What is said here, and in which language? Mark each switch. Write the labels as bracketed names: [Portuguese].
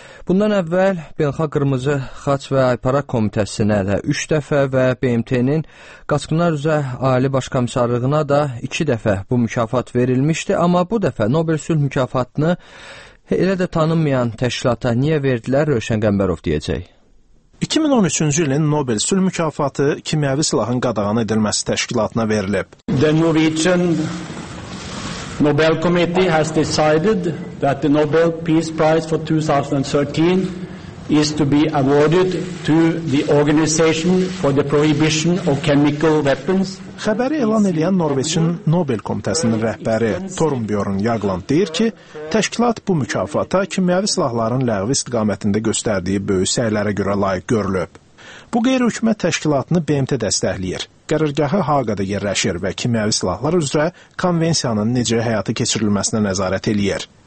[Azerbaijani] Bundan əvvəl Beynəlxalq Qırmızı Xaç və Aypara Komitəsinə də 3 dəfə və BMT-nin Qaçqınlar üzrə Ali Baş Komissarlığına da 2 dəfə bu mükafat verilmişdi. Amma bu dəfə Nobel Sülh mükafatını elə də tanınmayan təşkilata niyə verdilər, Rövşən Qəmbərov deyəcək. 2013-cü ilin Nobel Sülh mükafatı kimyəvi silahın qadağan edilməsi təşkilatına verilib. [English] The Norwegian Nobel Committee has decided that the Nobel Peace Prize for 2013 is to be awarded to the Organization for the Prohibition of Chemical Weapons. [Azerbaijani] Xəbəri elan edən Norveçin Nobel Komitəsinin rəhbəri Thorbjørn Jagland deyir ki, təşkilat bu mükafata kimyəvi silahların ləğvi istiqamətində göstərdiyi böyük səylərə görə layiq görülüb. Bu qeyri-hökumət təşkilatını BMT dəstəkləyir. Qərargahı Haqada yerləşir və kimyəvi silahlar üzrə konvensiyanın necə həyata keçirilməsinə nəzarət eləyir.